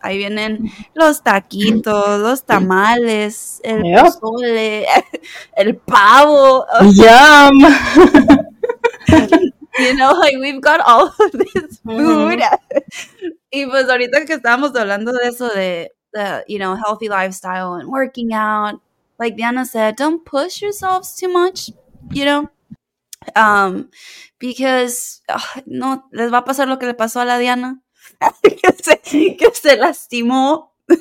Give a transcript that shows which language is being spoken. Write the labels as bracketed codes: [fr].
[es] Ahí vienen los taquitos, los tamales, el pozole, el pavo. [en] Yum! You know, like, we've got all of this food. [es] Y pues ahorita que estábamos hablando de eso de... [en] the, you know, healthy lifestyle and working out. Like Diana said, don't push yourselves too much, you know, because [es] no les va a pasar lo que le pasó a la Diana, que se lastimó.